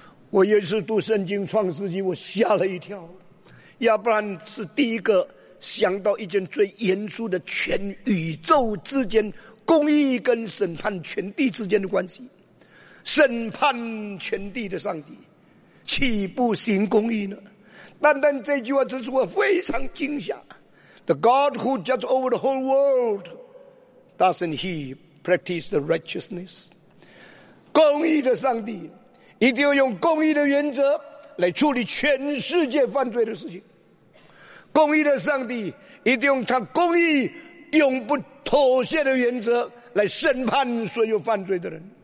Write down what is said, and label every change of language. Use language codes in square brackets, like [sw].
[zh] 我有一次读圣经创世纪，我吓了一跳。亚伯兰是第一个想到一件最严肃的全宇宙之间公义跟审判全地之间的关系。审判全地的上帝岂不行公义呢？单单这句话真是我非常惊吓。 [en] The God who judges over the whole world, doesn't he practice the righteousness? [zh] 公义的上帝一定要用公义的原则来处理全世界犯罪的事情。公义的上帝一定用他公义永不妥协的原则来审判所有犯罪的人。